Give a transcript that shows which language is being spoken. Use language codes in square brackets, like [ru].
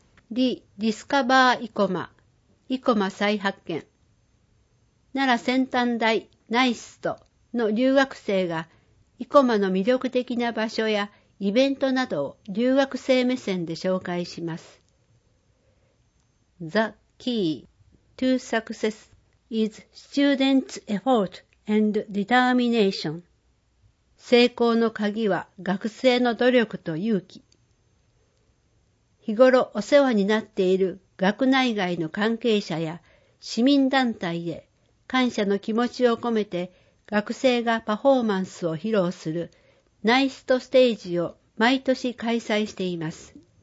[ja] リ・ディスカバー・イコマ、イコマ再発見。奈良先端大ナイストの留学生が、イコマの魅力的な場所やイベントなどを留学生目線で紹介します。 [en] The key to success is students' effort and determination. [ja] 成功の鍵は学生の努力と勇気。日頃お世話になっている学内外の関係者や市民団体へ感謝の気持ちを込めて学生がパフォーマンスを披露するナイストステージを毎年開催しています。